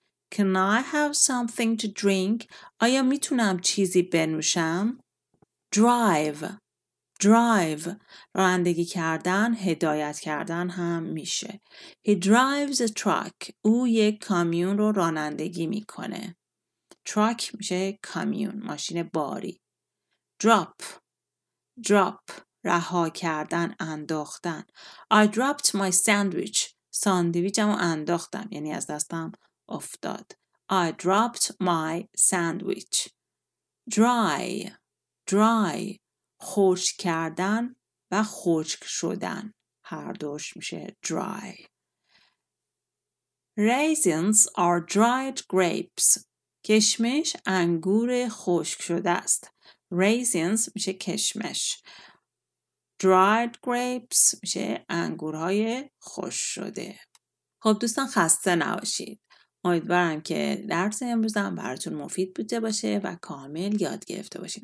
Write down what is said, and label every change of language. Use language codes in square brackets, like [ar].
[en] Can I have something to drink [fa] آیا میتونم چیزی بنوشم؟ Drive رانندگی کردن، هدایت کردن هم میشه. [en] He drives a truck. [fa] او یک کامیون رو رانندگی میکنه. Truck میشه کامیون، ماشین باری. [en] Drop [fa] رها کردن، انداختن. [en] I dropped my sandwich. [fa] ساندویچمو انداختم، یعنی از دستم افتاد. [en] I dropped my sandwich. Dry. [fa] خشک کردن و خشک شدن. هر دوش میشه dry. [en] Raisins are dried grapes. [fa] کشمش انگور خشک شده است. Raisins میشه کشمش. [en] Dried grapes [fa] میشه انگورهای خشک شده. خب دوستان خسته نباشید. امیدوارم که درس امروزم براتون مفید بوده باشه و کامل یاد گرفته باشین.